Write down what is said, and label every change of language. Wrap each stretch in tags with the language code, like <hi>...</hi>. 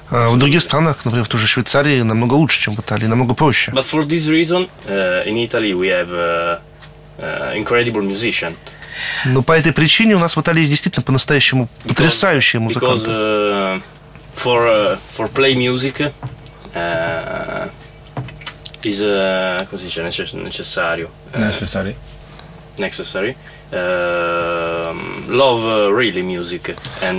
<ru>В других странах, например, в той же Швейцарии, намного лучше, чем в Италии, намного проще.</ru> <en>But for this reason, in Italy we have. Incredible musician.</en> <ru>Но по этой причине у нас в Италии действительно по-настоящему потрясающие музыканты.</ru> <en>Because for play music is</en> <it>così c'è necessario.</it> <en>Necessary. Necessary. Love really music. And,</en>